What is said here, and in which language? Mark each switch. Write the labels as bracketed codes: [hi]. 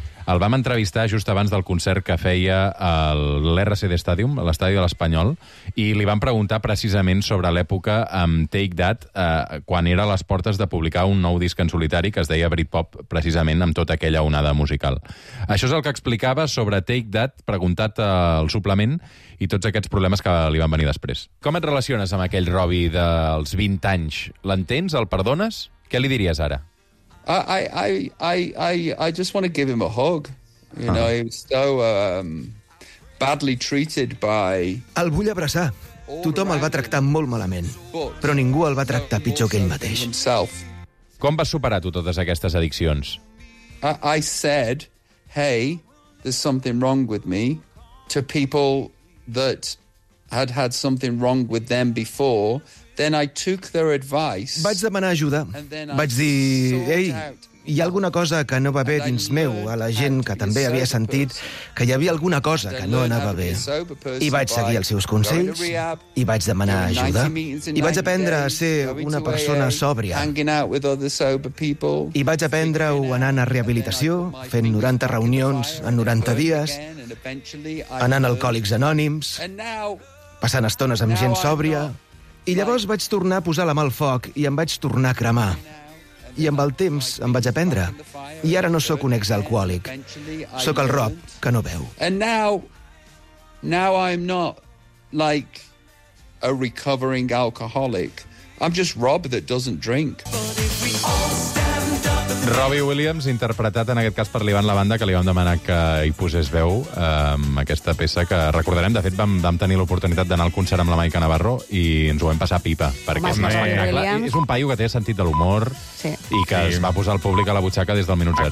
[ca] El vam entrevistar just abans del concert que feia a l'RCD Stadium, a l'Estadi de l'Espanyol, i li vam preguntar precisament sobre l'època amb Take That, quan era a les portes de publicar un nou disc en solitari que es deia Britpop, precisament amb tota aquella onada musical. Això és el que explicava sobre Take That, preguntat al suplement, i tots aquests problemes que li van venir després. Com et relaciones amb aquell Robbie dels 20 anys? L'entens? El perdones? Què li diries ara? [en] I just want to give him a hug. You know, he was so badly treated by... [ca] El vull abraçar. Tothom el va tractar molt malament, però ningú el va tractar pitjor que ell mateix. Com vas superar tu totes aquestes addiccions? [en] I said, hey, there's something wrong with me, to people that had something wrong with them before. Then I took their advice. [ca] Vaig demanar ajuda. Vaig dir, ei, Hi ha alguna cosa que no va bé dins meu, a la gent que també havia sentit que hi havia alguna cosa que no anava bé. I vaig seguir els seus consells, i vaig demanar ajuda, i vaig aprendre a ser una persona sòbria. I vaig aprendre-ho anant a rehabilitació, fent 90 reunions en 90 dies, anant a Alcohòlics Anònims, passant estones amb gent sòbria, i llavors vaig tornar a posar la mà al foc i em vaig tornar a cremar. I amb el temps em vaig aprendre. I ara no sóc un exalcohòlic. Sóc el Rob, que no beu. [en] And now I'm not like a recovering alcoholic. I'm just Rob that doesn't drink. [ca] Robbie Williams, interpretat en aquest cas per l'Ivan Lavanda, que li vam demanar que hi posés veu amb aquesta peça que recordarem. De fet, vam tenir l'oportunitat d'anar al concert amb la Maica Navarro i ens ho vam passar pipa. Perquè és un paio que té sentit de l'humor i que es va posar el públic a la butxaca des del minut zero.